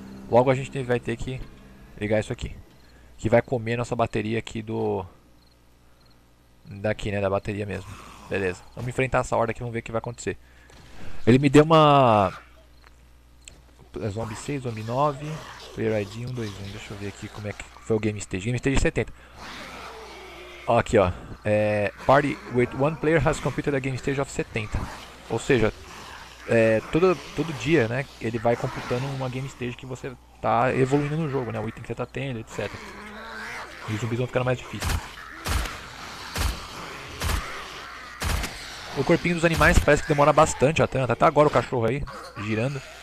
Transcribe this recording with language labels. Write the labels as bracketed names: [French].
[Portuguese] Logo a gente vai ter que ligar isso aqui. Que vai comer nossa bateria aqui do. Daqui, né? Da bateria mesmo. Beleza. Vamos enfrentar essa horda aqui, vamos ver o que vai acontecer. Ele me deu uma. Zombie 6, Zombie 9. Player ID 121. Deixa eu ver aqui como é que foi o Game Stage. Game Stage 70. Aqui, ó. [English] É, party with one player has completed a Game Stage of 70. [Portuguese] Ou seja. É, todo dia, né, ele vai computando uma game stage que você tá evoluindo no jogo, né, o item que você tá tendo, etc. E os zumbis vão ficando mais difíceis. O corpinho dos animais parece que demora bastante, até agora o cachorro aí, girando.